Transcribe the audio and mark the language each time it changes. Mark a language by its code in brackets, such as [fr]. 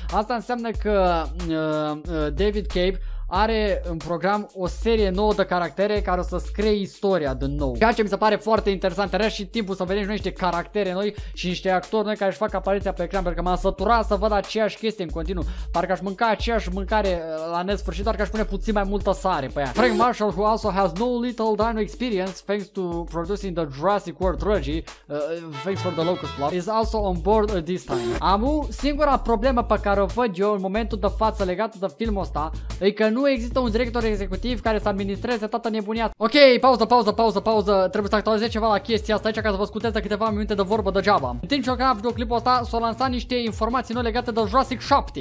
[ro] Asta înseamnă că David Cape are în program o serie nouă de caractere care o să scrie istoria din nou. Ceea ce mi se pare foarte interesant, are și timpul să vedem și noi niște caractere noi și niște actori noi care își fac apariția pe ecran, pentru că m-am săturat să văd aceeași chestie în continuu. Parcă aș mânca aceeași mâncare la nesfârșit, doar că aș pune puțin mai multă sare pe ea. [en] Frank Marshall, who also has no little dino experience thanks to producing the Jurassic World trilogy, thanks for the locust plot, is also on board this time. [ro] Am o singura problemă pe care o văd eu în momentul de față legată de filmul ăsta, e că nu există un director executiv care să administreze toată nebunia. Ok, pauză. Trebuie să actualizez ceva la chestia asta aici ca să vă scuteți de câteva minute de vorbă degeaba. În timp ce o canal videoclipul ăsta s-au lansat niște informații noi legate de Jurassic 7.